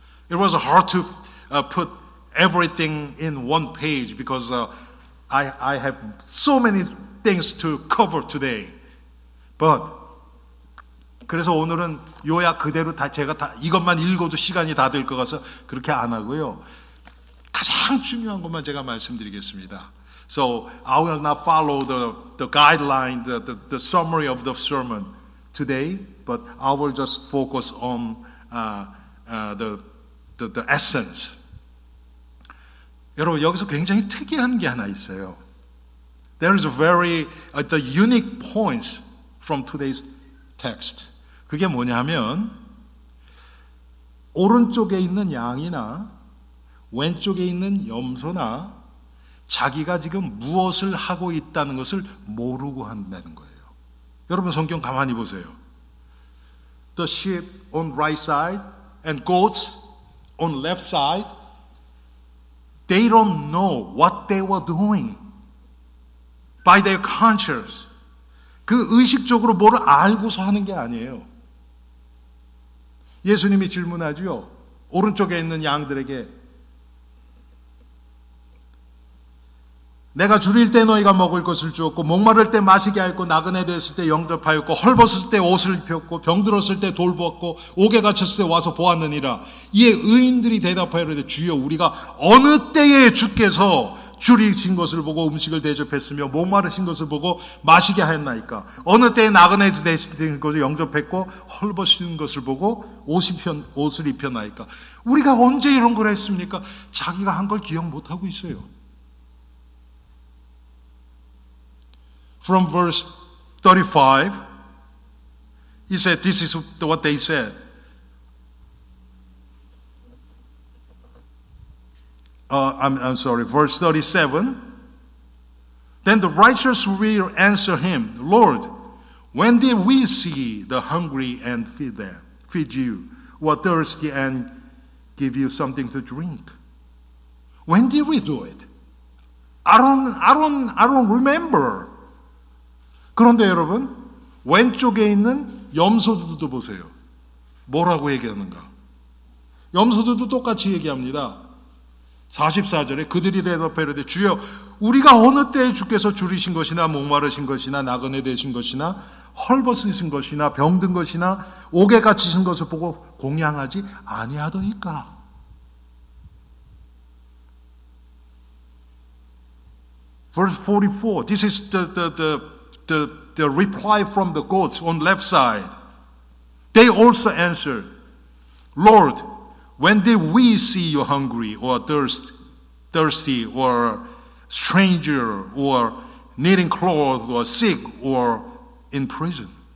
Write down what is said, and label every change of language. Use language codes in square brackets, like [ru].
[en] It was hard to put everything in one page because I have so many things to cover today. [ko] But 그래서 오늘은 요약 그대로 다 제가 다 이것만 읽어도 시간이 다 될 것 같아서 그렇게 안 하고요. 가장 중요한 것만 제가 말씀드리겠습니다. [en] So I will not follow the guideline, the summary of the sermon today, but I will just focus on the essence. [ko] 여러분 여기서 굉장히 특이한 게 하나 있어요. [en] There is a very the unique points from today's text. [ko] 그게 뭐냐면 오른쪽에 있는 양이나 왼쪽에 있는 염소나 자기가 지금 무엇을 하고 있다는 것을 모르고 한다는 거예요. 여러분 성경 가만히 보세요. [en] The sheep on right side and goats on left side, they don't know what they were doing by their conscience. [ko] 그 의식적으로 뭐를 알고서 하는 게 아니에요. 예수님이 질문하죠. 오른쪽에 있는 양들에게 내가 주릴 때 너희가 먹을 것을 주었고 목마를 때 마시게 하였고 나그네 됐을 때 영접하였고 헐벗을 때 옷을 입혔고 병들었을 때 돌보았고 옥에 갇혔을 때 와서 보았느니라. 이에 의인들이 대답하여 이르되 주여 우리가 어느 때에 주께서 주리신 것을 보고 음식을 대접했으며 목마르신 것을 보고 마시게 하였나이까. 어느 때에 나그네 됐을 것을 영접했고 헐벗은 것을 보고 옷을 입혔나이까. 우리가 언제 이런 걸 했습니까? 자기가 한 걸 기억 못하고 있어요. [en] From verse 35, he said, this is what they said. I'm sorry, verse 37. Then the righteous will answer him, Lord, when did we see the hungry and feed them, feed you, or thirsty and give you something to drink? When did we do it? I don't remember. [ko] 그런데 여러분, 왼쪽에 있는 염소들도 보세요. 뭐라고 얘기하는가? 염소들도 똑같이 얘기합니다. 44절에 그들이 대답해 이르되 주여 우리가 어느 때에 주께서 주리신 것이나 목마르신 것이나 나그네 되신 것이나 헐벗으신 것이나 병든 것이나 옥에 갇히신 것을 보고 공양하지 아니하더이까? [en] Verse 44, this is the reply from the goats on left side. They also answered, Lord, when did we see you hungry or thirsty or stranger or needing clothes or sick or in prison?